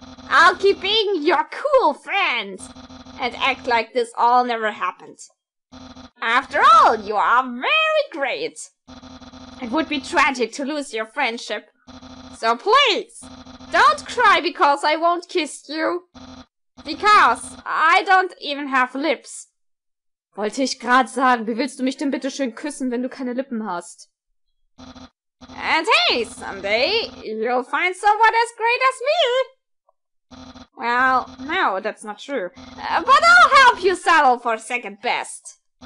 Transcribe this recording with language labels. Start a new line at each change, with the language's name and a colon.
English: I'll keep being your cool friend and act like this all never happened. After all, you are very great. It would be tragic to lose your friendship. So please, don't cry because I won't kiss you. Because I don't even have lips.
German: Wollte ich gerade sagen, wie willst du mich denn bitte schön küssen, wenn du keine Lippen hast?
English: And hey, someday you'll find someone as great as me. Well, no, that's not true. But I'll help you settle for second best.